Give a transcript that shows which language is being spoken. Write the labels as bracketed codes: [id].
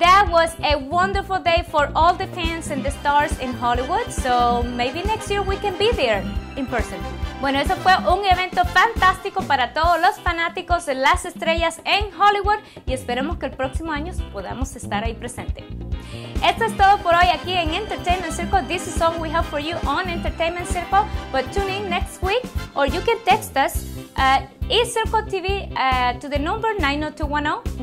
[en] It was a wonderful day for all the fans and the stars in Hollywood, so maybe next year we can be there in person. [es] Bueno, eso fue un evento fantástico para todos los fanáticos de las estrellas en Hollywood y esperemos que el próximo año podamos estar ahí presente. Esto es todo por hoy aquí en Entertainment Circle. [en] This is all we have for you on Entertainment Circle, but tune in next week or you can text us eCircle TV to the number 90210.